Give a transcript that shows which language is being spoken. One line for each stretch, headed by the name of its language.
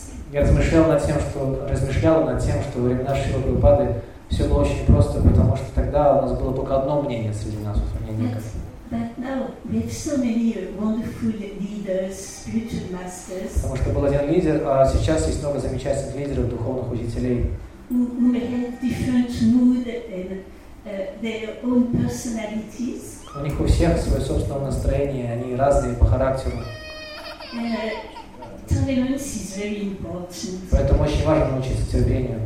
Russian: Я размышлял над тем, что во время нашего Прабхупады все было очень просто, потому что тогда у нас было только одно мнение среди нас.
English: But now we have so many wonderful leaders, spiritual masters.
Russian: Потому что был один лидер, а сейчас есть много замечательных лидеров, духовных учителей.
English: Who have different mood and their own personalities.
Russian: У них у всех свое собственное настроение, они разные по характеру.
English: Tolerance is very important.
Russian: Поэтому очень важно научиться терпению